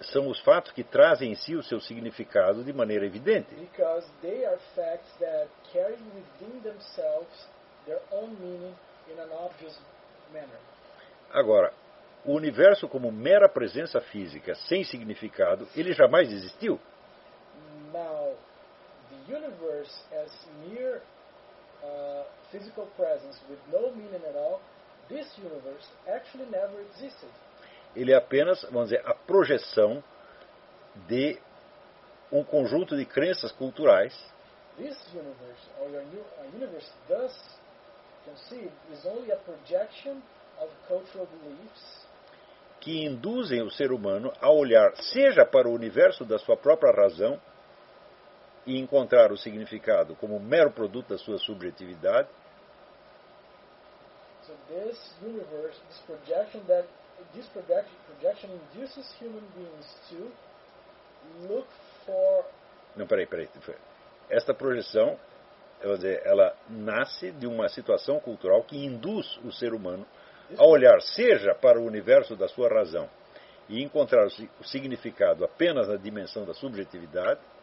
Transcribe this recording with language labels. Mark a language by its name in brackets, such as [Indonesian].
[Portuguese] São os fatos que trazem em si o seu significado de maneira evidente. [English] Because they are facts that carry within themselves their own meaning in an obvious manner. [Portuguese] Agora, o universo como mera presença física sem significado, ele jamais existiu? [English] Now, the universe as mere physical presence with no meaning at all, this universe actually never existed. [Portuguese] Ele é apenas, vamos dizer, a projeção de um conjunto de crenças culturais. [English] This universe, or a universe thus conceived, is only a projection of cultural beliefs [Portuguese] que induzem o ser humano a olhar seja para o universo da sua própria razão e encontrar o significado como mero produto da sua subjetividade. [English] So this universe, this projection that this projection induces human beings to look for... [Portuguese] Não, peraí. Esta projeção, eu vou dizer, ela nasce de uma situação cultural que induz o ser humano a olhar seja para o universo da sua razão e encontrar o significado apenas na dimensão da subjetividade.